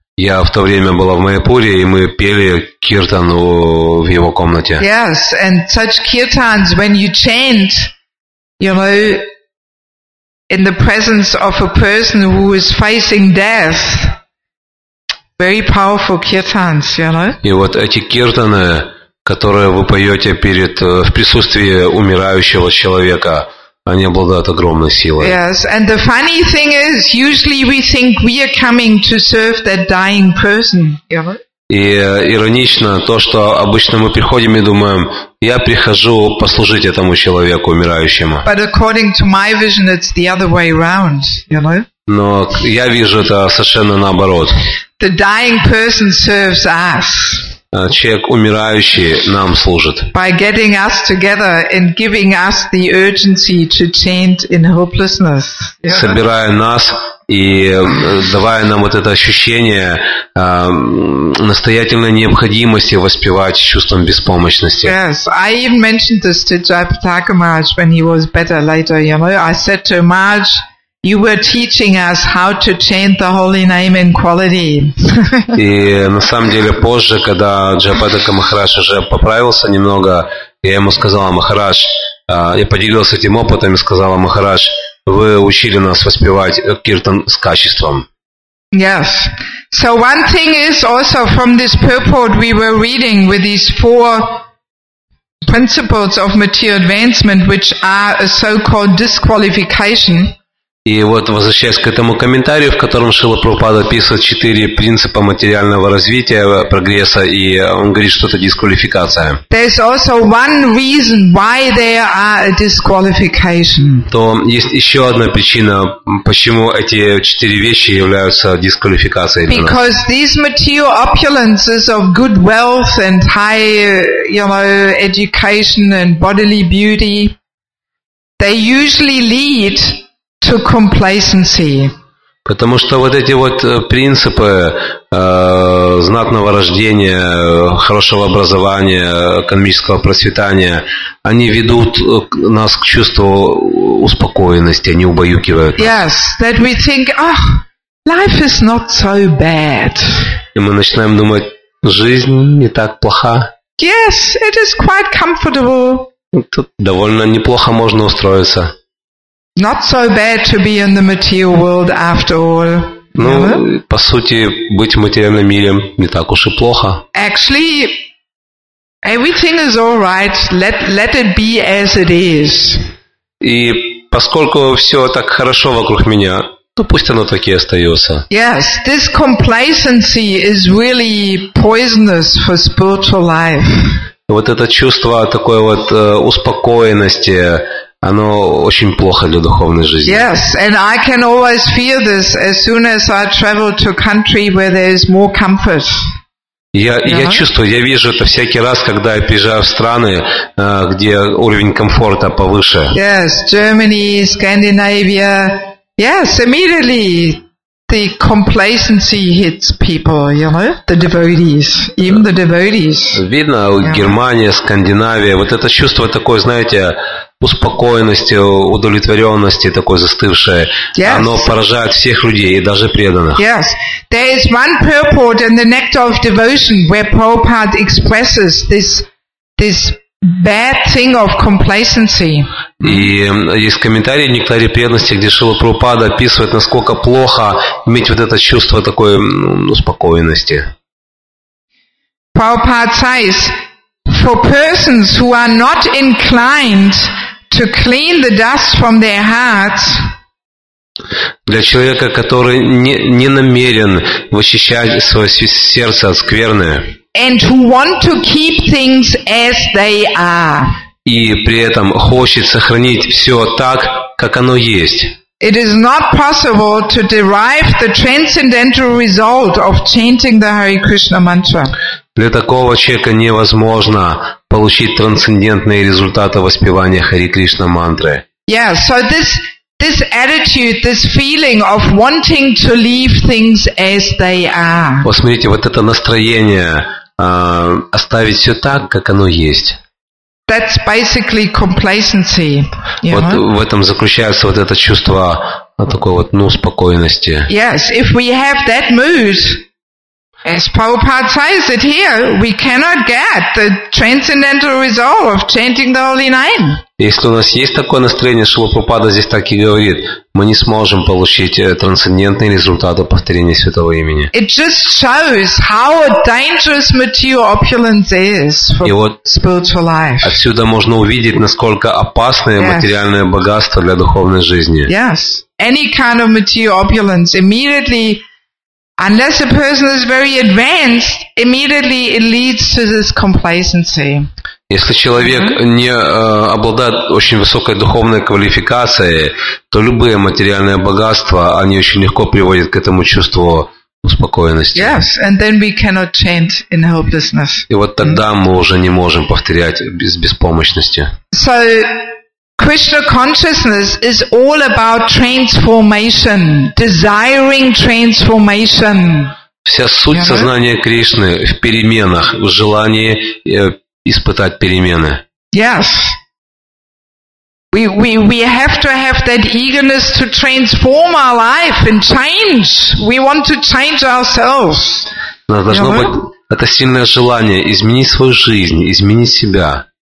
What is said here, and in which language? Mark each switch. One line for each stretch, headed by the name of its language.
Russian: Я в то время была в Майяпуре, и мы пели киртан в его комнате.
English: Yes, and such kirtans, when you chant, you know, in the presence of a person who is facing death, Very powerful kirtans, you know?
Russian: И вот эти киртаны, которые вы поете перед, в присутствии умирающего человека, они обладают огромной силой.
English: Yes, and the funny thing is, usually we think we are coming to serve that dying person, you know?
Russian: И иронично то, что обычно мы приходим и думаем, я прихожу послужить этому человеку умирающему.
English: But according to my vision, it's the other way around, you know?
Russian: Но я вижу это совершенно наоборот.
English: The dying person serves us.
Russian: Человек умирающий нам служит.
English: By getting us together and giving us the urgency to chant in hopelessness. Yeah.
Russian: Собирая нас и давая нам вот это ощущение настоятельной необходимости воспевать чувством беспомощности.
English: Yes, I even mentioned this to Jayapataka Maharaj when he was better later, you know. I said to Maharaj, you were teaching us how to chant the holy name in quality.
Russian: И на самом деле позже, когда Джапатака Махарадж уже поправился немного, я ему сказал, Махарадж, я поделился этим опытом и сказал, Махарадж, вы учили нас воспевать киртан с качеством.
English: Yes. So one thing is also from this purport we were reading with these four principles of material advancement, which are a so-called disqualification.
Russian: И вот, возвращаясь к этому комментарию, в котором Шрила Прабхупада описывает четыре принципа материального развития, прогресса, и он говорит, что это дисквалификация.
English: There's also one reason why there are a disqualification.
Russian: То есть еще одна причина, почему эти четыре вещи являются дисквалификацией для нас.
English: Because these material opulences of good wealth and high, you know, education and bodily beauty, they usually lead to complacency.
Russian: Потому что вот эти вот принципы знатного рождения, хорошего образования, экономического процветания, они ведут нас к чувству успокоенности, они убаюкивают нас.
English: Yes, that we think, oh, life is not so bad.
Russian: И мы начинаем думать, жизнь не так плоха.
English: Yes, it is quite comfortable.
Russian: Тут довольно неплохо можно устроиться.
English: Not so bad to be in the material world after all.
Russian: Ну, по сути, быть в материальном мире не так уж и плохо.
English: Actually, everything is all right. Let it be as it is.
Russian: И поскольку все так хорошо вокруг меня, ну пусть оно так и остается.
English: Yes, this complacency is really poisonous for spiritual life.
Russian: Вот это чувство такой вот успокоенности, оно очень плохо для духовной жизни.
English: Yes, and I can always feel this as soon as I travel to a country where there is more comfort.
Russian: Я чувствую, я вижу это всякий раз, когда я приезжаю в страны, где уровень комфорта повыше.
English: Yes, Germany, Scandinavia. Yes, immediately the complacency hits people, you know, the devotees, even the devotees.
Russian: Видно, Германия, Скандинавия, вот это чувство такое, знаете, успокоенности, удовлетворенности такой застывшей.
English: Yes.
Russian: Оно поражает всех людей, и даже преданных.
English: Yes. There is one purport in the Nectar of Devotion where Prabhupada expresses this bad thing of complacency.
Russian: И есть комментарий в Нектаре преданности, где Шрила Прабхупада описывает, насколько плохо иметь вот это чувство такой успокоенности.
English: Prabhupada says, for persons who are not inclined to clean the dust from their hearts.
Russian: Для человека, который не намерен вычищать свое сердце от скверны.
English: And who want to keep things as they are.
Russian: И при этом хочет сохранить все так, как оно есть.
English: It is not possible to derive the transcendental result of chanting the Hare Krishna mantra.
Russian: Для такого человека невозможно получить трансцендентные результаты воспевания Хари Кришна мантры.
English: Yeah, so this attitude, this feeling of wanting to leave things as they are.
Russian: Вот смотрите, вот это настроение оставить все так, как оно есть.
English: That's basically complacency.
Russian: Вот в этом заключается вот это чувство такой вот, ну, спокойности.
English: Yes, if we have that mood, As Prabhupada says it here, we cannot get the transcendental resolve of chanting the holy name.
Russian: Если у нас есть такое настроение, Шрила Прабхупада здесь так и говорит, мы не сможем получить трансцендентные результаты повторения святого имени.
English: It just shows how a dangerous material opulence is for spiritual life.
Russian: Отсюда можно увидеть, насколько опасное материальное богатство для духовной жизни.
English: Yes. Any kind of material opulence immediately, unless a person is very advanced, immediately it leads to this complacency.
Russian: Если человек не обладает очень высокой духовной квалификацией, то любые материальные богатства, они очень легко приводят к этому чувству успокоенности.
English: Yes, and then we cannot chant in helplessness.
Russian: И вот тогда мы уже не можем повторять без беспомощности.
English: So, Krishna consciousness is all about transformation, desiring transformation.
Russian: Вся суть сознания Кришны в переменах, в желании испытать перемены.
English: Yes. We have to have that eagerness to transform our life and change. We want to change ourselves.
Russian: Нас должно быть это сильное желание изменить свою жизнь, изменить себя.